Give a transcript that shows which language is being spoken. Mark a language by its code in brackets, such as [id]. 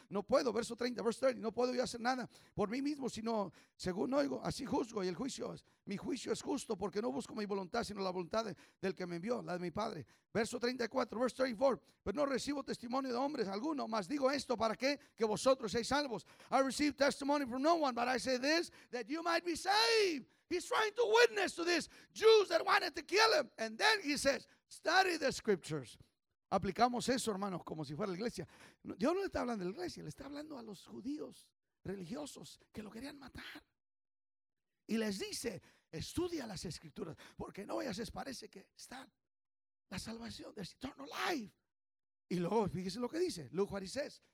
[es] No puedo, verso 30, [en] verse 30, [es] no puedo yo hacer nada por mí mismo, sino según oigo, así juzgo, y el juicio es, mi juicio es justo, porque no busco mi voluntad, sino la voluntad del que me envió, la de mi Padre. Verso 34, [en] verse 34, [es] pero no recibo testimonio de hombres alguno, mas digo esto, ¿para qué? Que vosotros seáis salvos. [en] I receive testimony from no one, but I say this, that you might be saved. He's trying to witness to this, Jews that wanted to kill him. And then he says, study the scriptures. [es] Aplicamos eso, hermanos, como si fuera la iglesia. Dios no le está hablando a la iglesia, le está hablando a los judíos religiosos que lo querían matar. Y les dice, estudia las escrituras, porque no vayas, les parece que están. La salvación, [en] there's eternal life. [es] Y luego, fíjese lo que dice. [en] Luke, what he says.